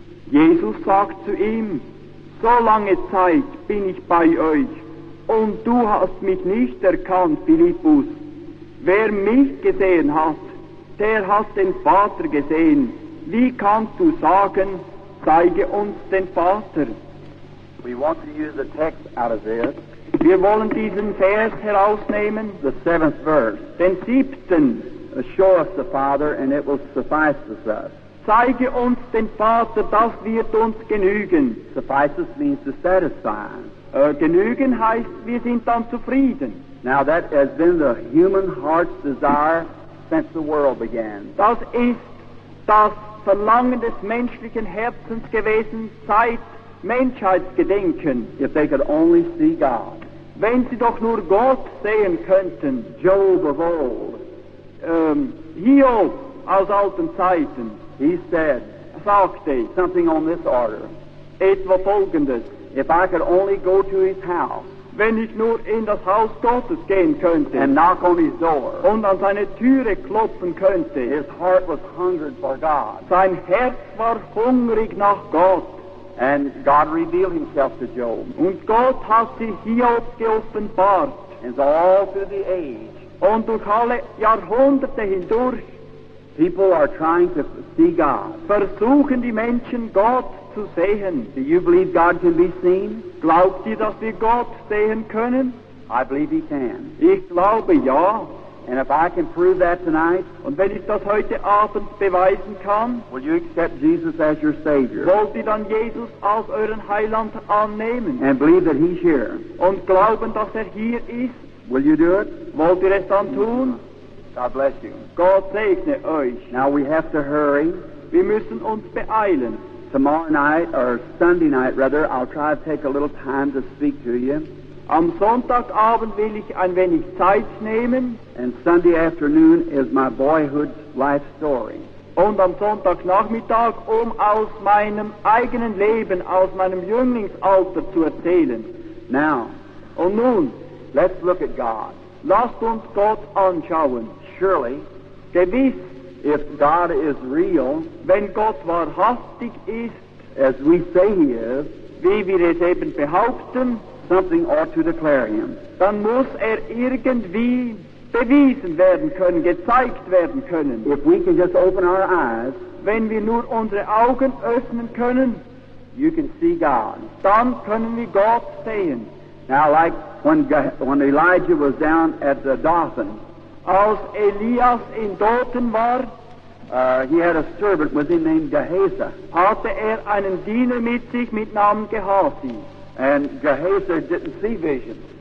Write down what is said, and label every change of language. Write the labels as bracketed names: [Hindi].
[German] Jesus sagt zu ihm: So lange Zeit bin ich bei euch, und du hast mich nicht erkannt, Philippus. Wer mich gesehen hat, der hat den Vater gesehen. Wie kannst du sagen: Zeige uns den Vater? [English] We want to use a text out of this. [German] Wir wollen diesen Vers herausnehmen, [English] the seventh verse. [German] Den siebten. [English] Show us the Father, and it will suffice us. [German] Zeige uns den Vater, das wird uns genügen. [English] Suffices means to satisfy. [German] Genügen heißt, wir sind dann zufrieden. [English] Now that has been the human heart's desire since the world began. [German] Das ist das Verlangen des menschlichen Herzens gewesen seit Menschheitsgedenken. [English] If they could only see God. [German] Wenn sie doch nur Gott sehen könnten. [English] Job of old. [German] Hiob aus alten Zeiten, [English] he said, [German] sagte, [English] something on this order, [German] etwa folgendes: [English] If I could only go to his house, [German] wenn ich nur in das Haus Gottes gehen könnte, [English] and knock on his door, [German] und an seine Türe klopfen könnte, [English] his heart was hungered for God, [German] sein Herz war hungrig nach Gott, [English] and God revealed himself to Job, [German] und Gott hat sich Hiob geoffenbart, [English] and so all through the age, [German] und durch alle Jahrhunderte hindurch, [English] people are trying to see God. [German] Versuchen die Menschen, Gott zu sehen. [English] Do you believe God can be seen? [German] Glaubt ihr, dass wir Gott sehen können? [English] I believe he can. [German] Ich glaube ja. [English] And if I can prove that tonight, [German] und wenn ich das heute Abend beweisen kann, [English] will you accept Jesus as your Savior? [German] Wollt ihr dann Jesus als euren Heiland annehmen? [English] And believe that he's here. [German] Und glauben, dass er hier ist? [English] Will you do it? [German] Wollt ihr es dann tun? [English] God bless you. [German] Gott segne euch. [English] Now we have to hurry. [German] Wir müssen uns beeilen. [English] Tomorrow night, or Sunday night rather, I'll try to take a little time to speak to you. [German] Am Sonntagabend will ich ein wenig Zeit nehmen. [English] And Sunday afternoon is my boyhood life story. [German] Und am Sonntagnachmittag, um aus meinem eigenen Leben, aus meinem Jünglingsalter zu erzählen. [English] Now. [German] Und nun. [English] Let's look at God. [German] Lasst uns Gott anschauen. [English] Surely, [German] gewiss, [English] if God is real, [German] wenn Gott wahrhaftig ist, [English] as we say he is, [German] wie wir es eben behaupten, [English] something ought to declare him. [German] Dann muss irgendwie bewiesen werden können, gezeigt werden können. [English] If we can just open our eyes, [German] wenn wir nur unsere Augen öffnen können, [English] you can see God. [German] Dann können wir Gott sehen. [English] Now, like when Elijah was down at the Dothan, [German] als Elias in Dothan war, [English] he had a servant with him named Gehazi. [German] Hatte er einen Diener mit sich mit Namen Gehazi. [English] And Gehazi didn't see visions.